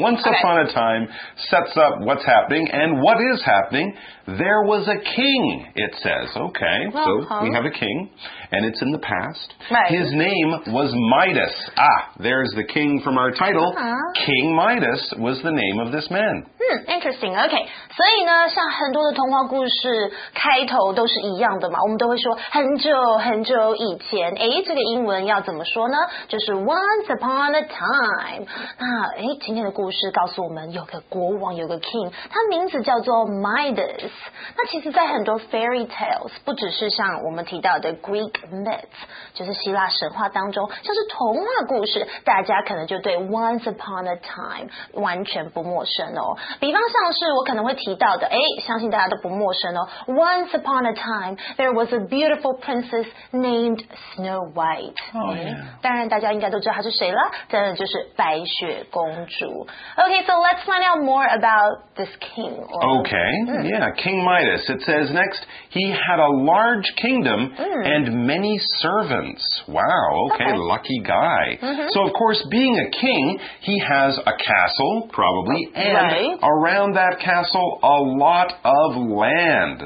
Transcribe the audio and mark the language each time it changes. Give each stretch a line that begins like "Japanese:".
English: Once upon a time sets up what's happening and what is happening. There was a king, it says. Okay, well, so we have a king and it's in the past. Right. His name was Midas. Ah, there's the king from our title. King Midas was the name of this man. Interesting. Okay.
Chinese: 所以呢像很多的童话故事开头都是一样的嘛。我们都会说很久很久以前。诶这个英文要怎么说呢就是
English: once upon a time.
Chinese: 那诶今天的故事告诉我们有个国王有个 king, 他名字叫做 Midas. 那其实在很多
English: fairy tales,
Chinese: 不只是像我们提到的
English: Greek myths,
Chinese: 就是希腊神话当中像是童话故事大家可能就对
English: once upon a time
Chinese: 完全不陌生哦。比方像是我可能会提到的，哎，相信大家都不陌生哦。
English: Once upon a time, there was a beautiful princess named Snow White. Oh, yeah.
Chinese: 当然大家应该都知道她是谁了，当然就是白雪公主。
English: Okay, so let's find out more about this king. Okay, yeah, King Midas. It says next, he had a large kingdom and many servants. Wow, okay, lucky guy. So of course, being a king, he has a castle, probably, and around that castle, a lot of land.